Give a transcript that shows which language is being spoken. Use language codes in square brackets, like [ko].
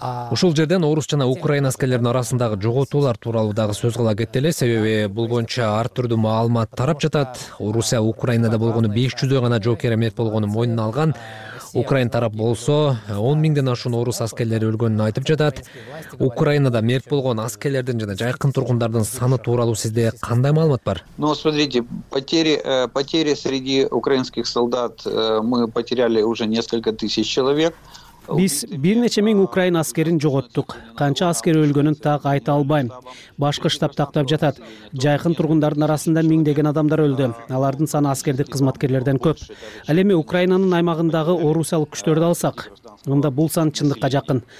[ky] ушул жерден орус жана украин аскерлеринин арасындагы жоготуулар тууралуу дагы сөз кыла кеттеле, себеби бул боюнча ар түрдүү маалымат тарап жатат. Орусия Украинада болгону 500 гана жоокер мерт болгону мойнуна алган. Украин тарап болсо 10,000 ашуун орус аскерлери өлгөнүн айтып жатат. Украинада мерт болгон аскерлердин жана жакын тургундардын саны тууралуу сизде кандай маалымат бар? [ru] Ну, смотрите, потери среди украинских солдат мы потеряли уже несколько тысяч человек. [ky] Биз бир нече миң украин аскерин жоготтук. Канча аскер өлгөнүн так айта албайм. Башкы штаб тактап жатат. Жайкын тургундардын арасында миңдеген адамдар өлдү. Алардын саны аскердик кызматкерлерден көп. Ал эми Украинанын аймагындагы орусиялык күчтөрдү алсак, мында бул сан чындыкка жакын.